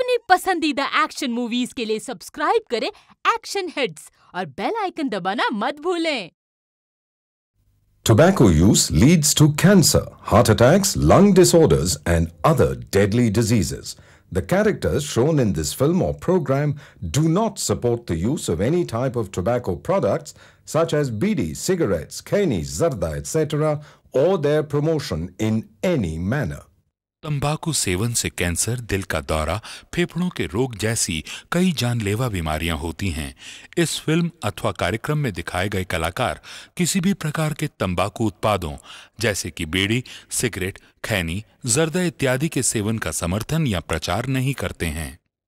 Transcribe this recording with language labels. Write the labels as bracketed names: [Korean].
[Hindi] पसंदीदा action movies के लिए सब्सक्राइब करें एक्शन हिट्स और बेल आइकन दबाना मत भूलें। [English] Tobacco use leads to cancer, heart attacks, lung disorders and other deadly diseases. The characters shown in this film or program do not support the use of any type of tobacco products such as bidi, cigarettes, khaini, zarda, etc. or their promotion in any manner. [Hindi] तंबाकू seven से cancer, दिल का दौरा, फेफड़ों के रोग जैसी कई जानलेवा बीमारियां होती हैं। इस फिल्म अथवा कार्यक्रम में दिखाए गए कलाकार किसी भी प्रकार के तंबाकू उत्पादों जैसे कि बीड़ी, सिगरेट, खैनी, जर्दा इत्यादि के सेवन का समर्थन या प्रचार नहीं करते हैं।